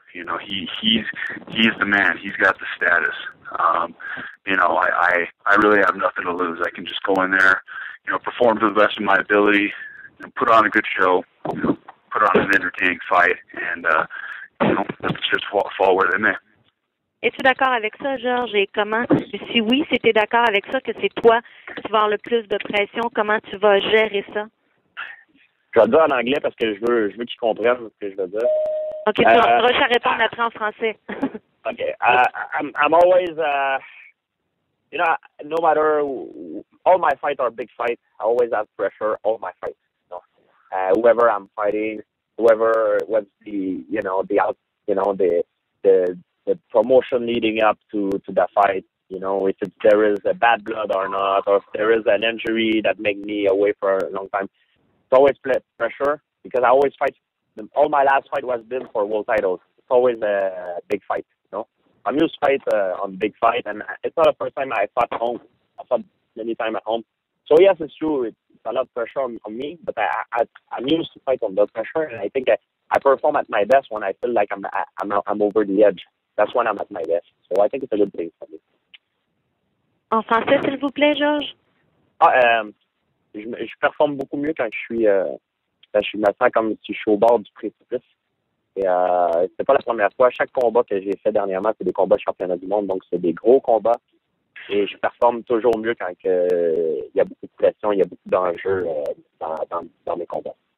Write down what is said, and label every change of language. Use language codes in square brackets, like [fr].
[en] You know, he's the man. He's got the status. You know, I really have nothing to lose. I can just go in there, you know, perform to the best of my ability, and put on a good show, you know, put on an entertaining fight, and you know, let's just fall where they may. [fr] Es-tu d'accord avec ça, Georges? Et comment, si oui, si tu es d'accord avec ça, que c'est toi qui vas avoir le plus de pression, comment tu vas gérer ça? Je vais le dire en anglais parce que je veux qu'ils comprennent ce que je veux dire. OK, tu vas répondre après en français. OK. [en] I'm always, you know, no matter, all my fights are big fights. I always have pressure, all my fights. You know? Whoever I'm fighting, whoever, what's the, you know, the, you know, the promotion leading up to the fight, you know, if there is a bad blood or not, or if there is an injury that make me away for a long time. It's always pressure because I always fight. All my last fight was been for world titles. It's always a big fight, you know. I'm used to fight on big fight, and it's not the first time I fought home. I fought many times at home. So, yes, it's true. It's a lot of pressure on me, but I'm used to fight on that pressure, and I think I perform at my best when I feel like I'm over the edge. That's when I'm at my best. So I think it's a good thing for me. [fr] En français, s'il vous plaît, Georges? Ah, je performe beaucoup mieux quand je me sens comme si je suis au bord du précipice. Et c'est pas la première fois. Chaque combat que j'ai fait dernièrement, c'est des combats de championnat du monde. Donc, c'est des gros combats. Et je performe toujours mieux quand il y a beaucoup de pression, il y a beaucoup d'enjeux dans mes combats.